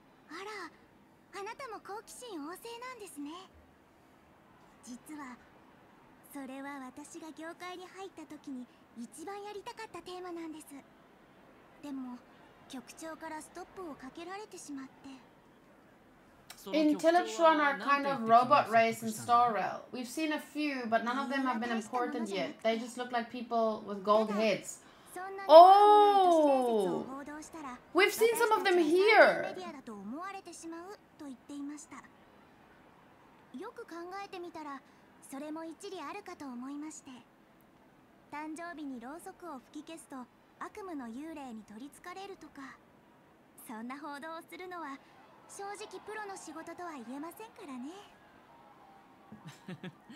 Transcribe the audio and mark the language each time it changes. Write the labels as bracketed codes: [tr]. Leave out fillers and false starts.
[ja] あら、あなたも好奇心旺盛なんですね。実は、それは私が業界に入った時に一番やりたかったテーマなんです。でも局長からストップをかけられてしまって。 [en] Intellitron are kind of robot race in Star Rail. We've seen a few, but none of them have been important yet. They just look like people with gold heads. Oh! We've seen some of them here! [ja] メディアだと思われてしまうと言っていました。よく考えてみたら、それも一理あるかと思いまして。誕生日にろうそくを吹き消すと悪夢の幽霊に取りつかれるとか、そんな報道をするのは正直プロの仕事とは言えませんからね。